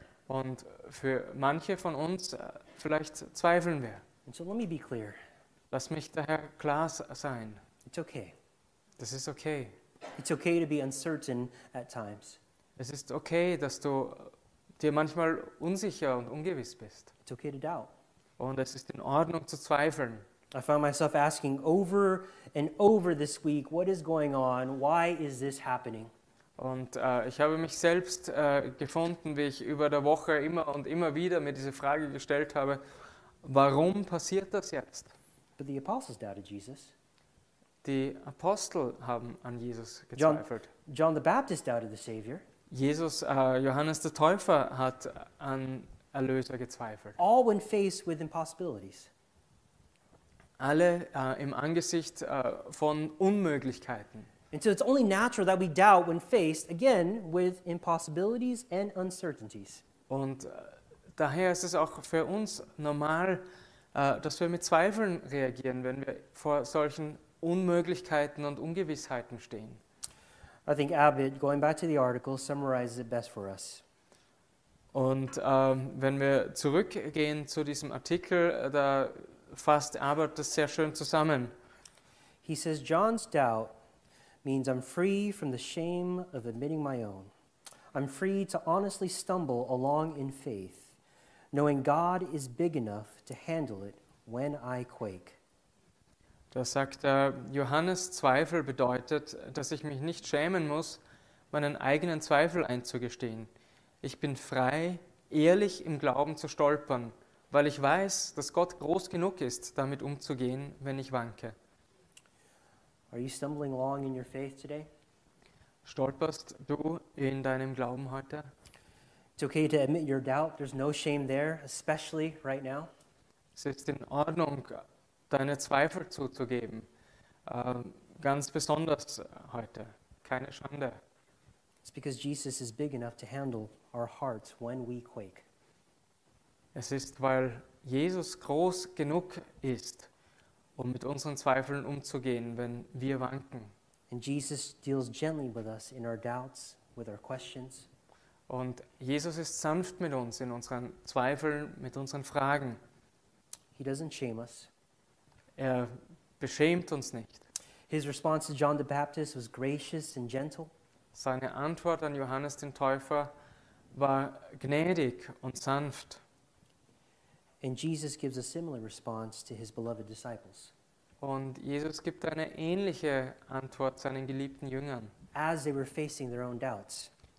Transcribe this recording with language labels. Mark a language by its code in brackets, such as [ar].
[de] Und für manche von uns vielleicht zweifeln wir. [en] And so let me be clear. [de] Lass mich daher klar sein. [en] It's okay. [de] Das ist okay. [en] It's okay to be uncertain at times. [de] Es ist okay, dass du dir manchmal unsicher und ungewiss bist. [en] It's okay to doubt. [de] Und es ist in Ordnung zu zweifeln. [en] I found myself asking over and over this week, what is going on? Why is this happening? [de] Und ich habe mich selbst gefunden, wie ich über der Woche immer und immer wieder mir diese Frage gestellt habe, warum passiert das jetzt? [en] But the apostles doubted Jesus. [de] Die Apostel haben an Jesus gezweifelt. [en] John the Baptist doubted the Savior. [de] Jesus, Johannes der Täufer hat an Erlöser gezweifelt. [en] All when faced with impossibilities. [de] Alle im Angesicht von Unmöglichkeiten. [en] And so it's only natural that we doubt when faced again with impossibilities and uncertainties. [de] Und daher ist es auch für uns normal, dass wir mit Zweifeln reagieren, wenn wir vor solchen Unmöglichkeiten und Ungewissheiten stehen. [en] I think Abbott, going back to the article, summarizes it best for us. [de] Und wenn wir zurückgehen zu diesem Artikel, da fasst Abbott das sehr schön zusammen. [en] He says, John's doubt means I'm free from the shame of admitting my own. I'm free to honestly stumble along in faith, knowing God is big enough to handle it when I quake. [de] Da sagt er, Johannes Zweifel bedeutet, dass ich mich nicht schämen muss, meinen eigenen Zweifel einzugestehen. Ich bin frei, ehrlich im Glauben zu stolpern, weil ich weiß, dass Gott groß genug ist, damit umzugehen, wenn ich wanke. [en] Are you stumbling along in your faith today? [de] Stolperst du in deinem Glauben heute? [en] It's okay to admit your doubt. There's no shame there, especially right now. [de] Es ist in Ordnung, deine Zweifel zuzugeben, ganz besonders heute. Keine Schande. [en] It's because Jesus is big enough to handle our hearts when we quake. [de] Es ist, weil Jesus groß genug ist, um mit unseren Zweifeln umzugehen, wenn wir wanken. [en] And Jesus deals gently with us in our doubts, with our questions. [de] Und Jesus ist sanft mit uns in unseren Zweifeln, mit unseren Fragen. [en] He doesn't shame us. [de] Er beschämt uns nicht. [en] His response to John the Baptist was gracious and gentle. [de] Seine Antwort an Johannes den Täufer war gnädig und sanft. [en] And Jesus gives a similar response to his beloved disciples. [de] Und Jesus gibt eine ähnliche Antwort seinen geliebten Jüngern. [en] As they were facing their own doubts.